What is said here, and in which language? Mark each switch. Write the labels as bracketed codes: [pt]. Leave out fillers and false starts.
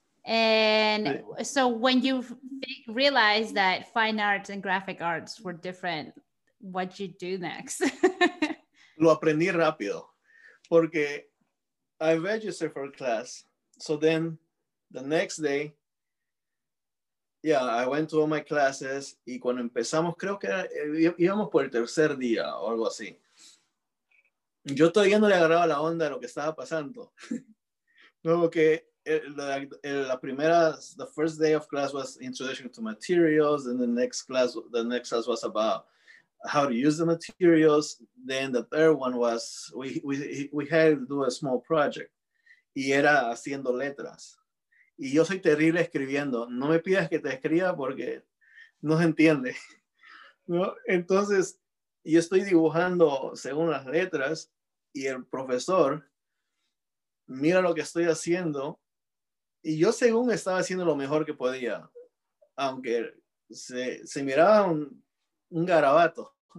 [en] And so when you realized that fine arts and graphic arts were different, what'd you do next? [es] Lo aprendí rápido porque [en] I registered for a class. So then the next day, I went to all my classes. [es] Y cuando empezamos, creo que íbamos por el tercer día o algo así. Yo todavía no le agarraba la onda de lo que estaba pasando. Luego que [en] the first day of class was introduction to materials, and the next class was about how to use the materials. Then the third one was we had to do a small project, [es] y era haciendo letras. Y yo soy terrible escribiendo. No me pidas que te escriba porque no se entiende. ¿No? Entonces yo estoy dibujando según las letras, y el profesor mira lo que estoy haciendo. Y yo según estaba haciendo lo mejor que podía, aunque se miraba un garabato.